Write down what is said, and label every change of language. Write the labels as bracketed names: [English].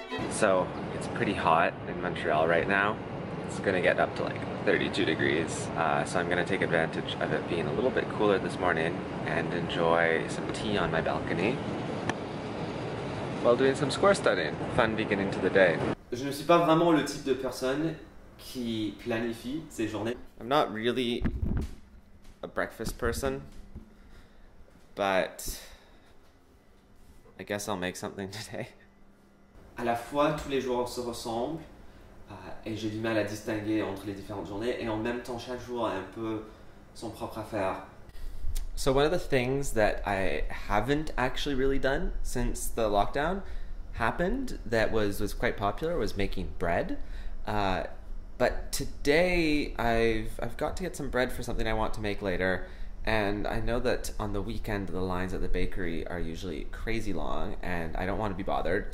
[English] So it's pretty hot in Montreal right now. It's gonna get up to like 32 degrees. So I'm gonna take advantage of it being a little bit cooler this morning and enjoy some tea on my balcony while doing some square studying. Fun beginning to the day. [French] Je ne suis pas vraiment le type de personne qui planifie ses journées. [English] I'm not really a breakfast person, but I guess I'll make something today. [French] À la fois, tous les jours se ressemblent et j'ai du mal à distinguer entre les différentes journées, et en même temps, chaque jour a un peu son propre affaire. [English] So one of the things that I haven't actually really done since the lockdown happened that was quite popular was making bread. But today, I've got to get some bread for something I want to make later. And I know that on the weekend, the lines at the bakery are usually crazy long and I don't want to be bothered.